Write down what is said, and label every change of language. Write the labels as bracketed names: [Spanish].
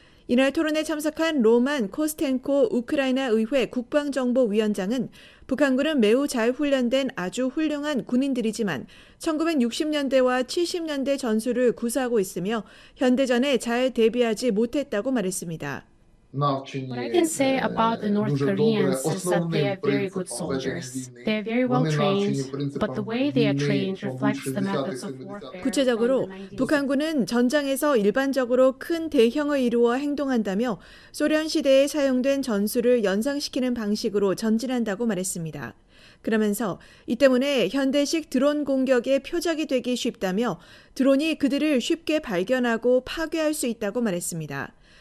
[Korean] 이날 토론에 참석한 로만 코스텐코 우크라이나 의회 국방정보위원장은 북한군은 매우 잘 훈련된 아주 훌륭한 군인들이지만 1960년대와 70년대 전술을 구사하고 있으며 현대전에 잘 대비하지 못했다고 말했습니다. [English] What I can say about the North Koreans is that they are very good soldiers. They are very well trained, but the way they are trained reflects the methods of warfare. [Korean] 구체적으로 북한군은 전장에서 일반적으로 큰 대형을 이루어 행동한다며 소련 시대에 사용된 전술을 연상시키는 방식으로 전진한다고 말했습니다. 그러면서 이 때문에 현대식 드론 공격의 표적이 되기 쉽다며 드론이 그들을 쉽게 발견하고 파괴할 수 있다고 말했습니다.